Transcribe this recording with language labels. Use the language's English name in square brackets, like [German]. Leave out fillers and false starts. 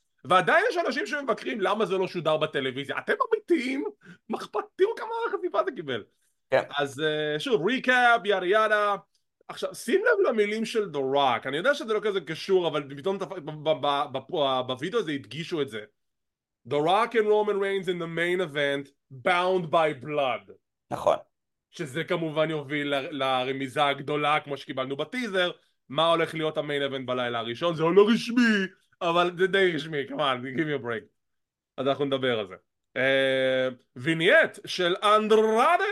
[Hebrew] ועדיין יש אנשים שמבקרים למה זה לא שודר בטלוויזיה, אתם אמיתיים? מה אכפת? תראו כמה החשיפה זה קיבל. כן. אז שוב, ריקאפ, יאדה יאדה. עכשיו, שים לב למילים של The Rock, אני יודע שזה לא כזה קשור, אבל פתאום בווידאו הזה הדגישו את זה. [English] The Rock and Roman Reigns in the main event, bound by blood. נכון. [Hebrew] שזה כמובן יוביל לרמיזה הגדולה, כמו שקיבלנו בטיזר, מה הולך להיות המיין אבנט בלילה הראשון, זה לא רשמי, אבל זה די רשמי, כמובן, [English] give me a break. [Hebrew] אז אנחנו נדבר על זה. וינייט של אנדרדה.